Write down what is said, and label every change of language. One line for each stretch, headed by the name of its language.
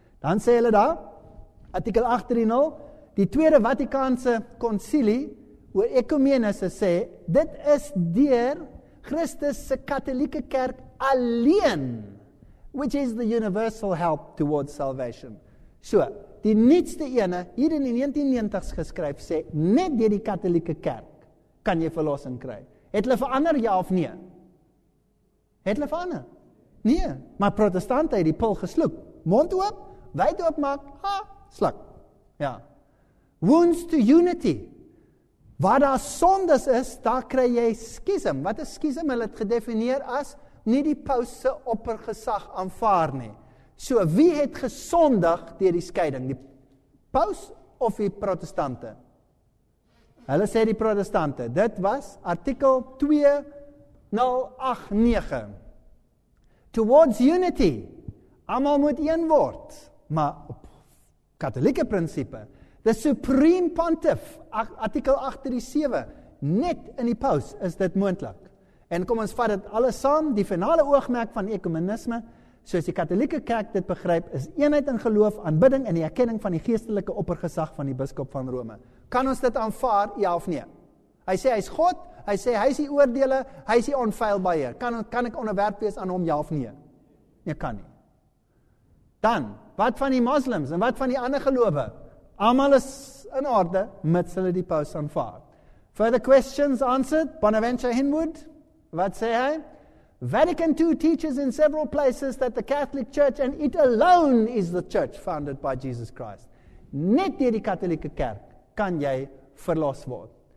Afrikaans: Dan sê hulle daar, artikel 830, die tweede Vatikaanse konsilie oor ekumenisse sê, dit is deur Christus se katolieke kerk alleen,
English: which is the universal help towards salvation.
Afrikaans: So, die nietste ene, hier in die 1990s geskryf, sê, net deur die katolieke kerk kan jy verlossing kry. Het hulle verander, ja of nee? Het hulle verander? Nee, maar protestante het die pil gesloek. Mond oop, wyd oop maak, ha, sluk. Ja.
English: Wounds to unity.
Afrikaans: Waar daar sondes is, daar kry jy skism. Wat is skism? Hulle het gedefinieer as nie die paus se oppergesag aanvaar nie. So wie het gesondig deur die skeiding? Die paus of die protestante? Hulle sê die protestante. Dit was artikel 2089.
English: Towards unity.
Afrikaans: Almal moet een word, maar op katolieke prinsipe.
English: The Supreme Pontiff,
Afrikaans: artikel 837. net in die paus is dit moontlik. En kom ons vat dit alles saam, die finale oogmerk van ekumenisme, soos die katholieke kerk dit begryp, is eenheid in geloof, aanbidding en die erkenning van die geestelike oppergesag van die biskop van Rome. Kan ons dit aanvaar, ja of nee? Hy sê hy is God, hy sê hy is die oordele, hy is die onfeilbare. Kan ek onderwerp wees aan hom, ja of nee? Nee, kan nie. Dan, wat van die moslims en wat van die ander gelowe? Almal is in orde, mits hulle die paus aanvaar.
English: Further questions answered, Bonaventure Hinwood,
Afrikaans: wat sê hy?
English: Vatican II teaches in several places that the Catholic Church and it alone is the church founded by Jesus Christ.
Afrikaans: Net deur die katholieke kerk kan jy verlos word.